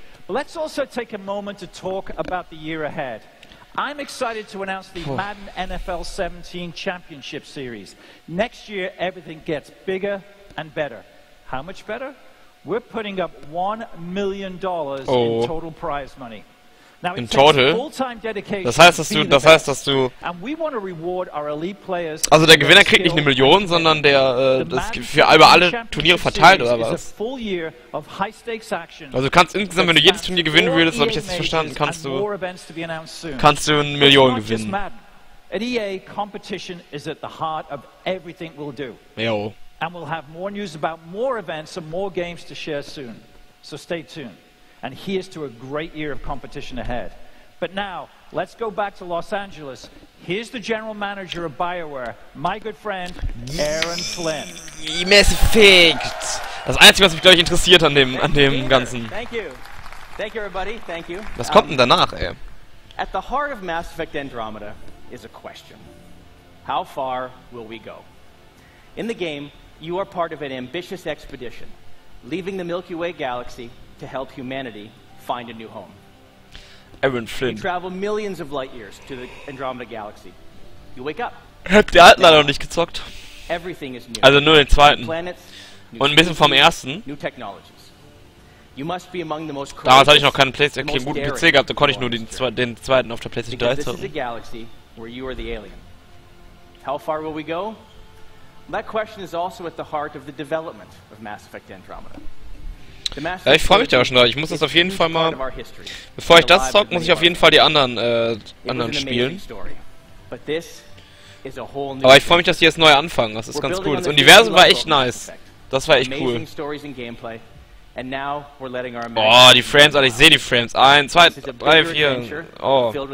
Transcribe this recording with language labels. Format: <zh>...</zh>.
<en>Let's also take a moment to talk about the year ahead. I'm excited to announce the Madden NFL 17 Championship Series. Next year, everything gets bigger and better. How much better? We're putting up $1 million in total prize money. Now, in total? Full-time dedication.</en> <de>Das heißt, dass du.</de> <en>And we want to reward our elite players.</en> <de>Also der Gewinner kriegt nicht eine Million, sondern der das für über alle Turniere verteilt oder was? Also du kannst insgesamt, wenn du jedes Turnier gewinnen würdest, so habe ich jetzt nicht verstanden, kannst du 1 Million gewinnen.</de> <en>At EA, competition is at the heart of everything we'll do. Jo. And we'll have more news about more events and more games to share soon. So stay tuned. And here's to a great year of competition ahead. But now, let's go back to Los Angeles. Here's the general manager of BioWare, my good friend, Aaron Flynn. Mass Effect.</en> <de>Das Einzige, was mich, glaube ich, interessiert an dem Ganzen.</de> <en>Thank you. Thank you, everybody. Thank you.</en> <de>Was kommt denn danach, ey?</de> <en>At the heart of Mass Effect Andromeda is a question. How far will we go? In the game, you are part of an ambitious expedition, leaving the Milky Way galaxy to help humanity find a new home. Aaron Flynn. You travel millions of light years to the Andromeda galaxy. You wake up.</en> <de>Habt ihr alten leider noch nicht gezockt?</de> <en>Everything is new.</en> <de>Also nur den zweiten. Planets, und ein bisschen vom ersten.</de> <en>New technologies. You must be among the most.</en> <de>Damals hatte ich noch keinen PlayStation, okay, guten PC gehabt, da konnte ich nur den zweiten auf der PlayStation 3 zocken.</de> <en>This is a galaxy where you are the alien. How far will we go? That question is also at the heart of the development of Mass Effect Andromeda.</en> <de>Ja, ich freue mich da schon drauf. Ich muss das auf jeden Fall mal. Bevor ich das zocke, muss ich auf jeden Fall die anderen spielen. Aber ich freue mich, dass die jetzt neu anfangen. Das ist ganz cool. Das Universum war echt nice. Das war echt cool. Oh, die Frames, Alter. Ich sehe die Frames. 1, 2, 3, 4. Oh.</de>